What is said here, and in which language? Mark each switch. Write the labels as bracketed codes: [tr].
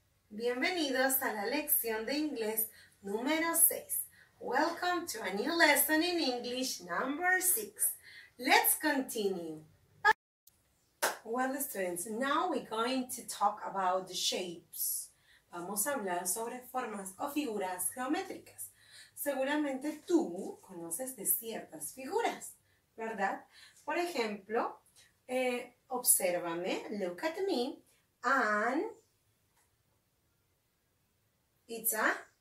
[es] Bienvenidos a la lección de inglés número 6. [en] Welcome to a new lesson in English number 6. Let's continue. Well, students, now we're going to talk about the shapes. [es] Vamos a hablar sobre formas o figuras geométricas. Seguramente tú conoces de ciertas figuras, ¿verdad? Por ejemplo, obsérvame, [en] look at me, and it's a...